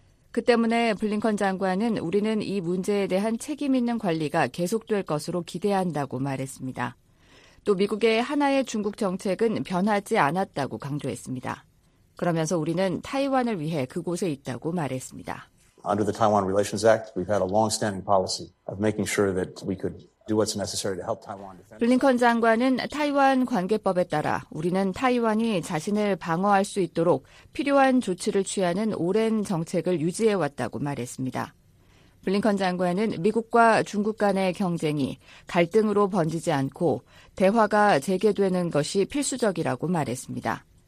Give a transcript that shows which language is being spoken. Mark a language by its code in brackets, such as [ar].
[ko] 그 때문에 블링컨 장관은 우리는 이 문제에 대한 책임 있는 관리가 계속될 것으로 기대한다고 말했습니다. 또 미국의 하나의 중국 정책은 변하지 않았다고 강조했습니다. 그러면서 우리는 타이완을 위해 그곳에 있다고 말했습니다. [en] Under the Taiwan Relations Act, we've had a long-standing policy of making sure that we could do what's necessary to help Taiwan defend. [ko] 블링컨 장관은 타이완 관계법에 따라 우리는 타이완이 자신을 방어할 수 있도록 필요한 조치를 취하는 오랜 정책을 유지해 왔다고 말했습니다. 블링컨 장관은 미국과 중국 간의 경쟁이 갈등으로 번지지 않고 대화가 재개되는 것이 필수적이라고 말했습니다.